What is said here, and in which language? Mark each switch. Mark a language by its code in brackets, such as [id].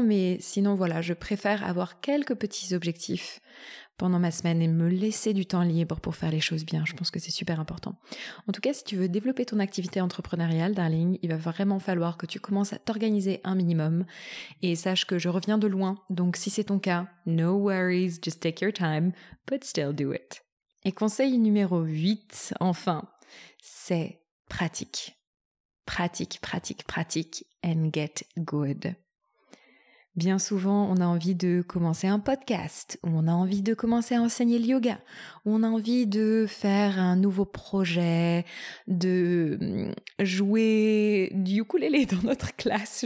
[fr] Mais sinon, voilà, je préfère avoir quelques petits objectifs pendant ma semaine et me laisser du temps libre pour faire les choses bien. Je pense que c'est super important. En tout cas, si tu veux développer ton activité entrepreneuriale, darling, il va vraiment falloir que tu commences à t'organiser un minimum. Et sache que je reviens de loin. Donc, si c'est ton cas, [en] no worries, just take your time, but still do it. [fr] Et conseil numéro 8, enfin, c'est pratique. Pratique, pratique, pratique, [en] and get good. [fr] Bien souvent, on a envie de commencer un podcast, ou on a envie de commencer à enseigner le yoga, ou on a envie de faire un nouveau projet, de jouer du ukulélé dans notre classe.